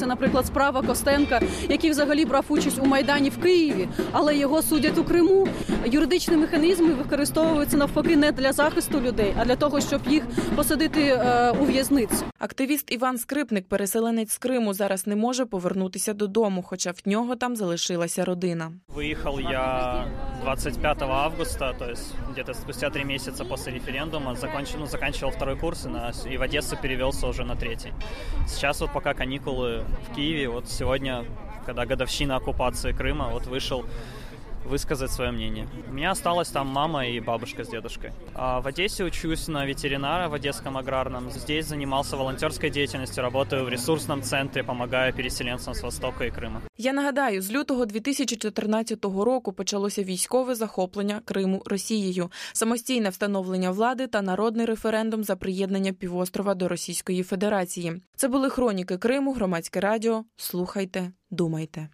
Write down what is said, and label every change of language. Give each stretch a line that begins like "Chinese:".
Ukrainian: Це, наприклад, справа Костенка, який взагалі брав участь у Майдані в Києві, але його судять у Криму. Юридичні механізми використовуються навпаки не для захисту людей, а для того, щоб їх посадити у в'язницю. Активіст Іван Скрипник, переселенець з Криму, зараз не може повернутися додому, хоча в нього там залишилася родина. Виїхав я
Russian: 25 августа,
Ukrainian: тобто десь
Russian: спустя 3 місяці после референдума, заканчивал второй курс и в Одессу перевелся уже на третий. Сейчас вот пока каникулы в Киеве, вот сегодня, когда годовщина оккупации Крыма, вот вышел высказать свое мнение. У меня осталась там мама и бабушка с дедушкой. А в Одессе учусь на ветеринара в Одесском аграрном. Здесь занимался волонтерской деятельностью, работаю в ресурсном центре, помогая переселенцам с Востока и Крыма.
Ukrainian: Я нагадаю, з лютого 2014 року почалося військове захоплення Криму Росією, самостійне встановлення влади та народний референдум за приєднання півострова до Російської Федерації. Це були хроніки Криму, громадське радіо. Слухайте, думайте.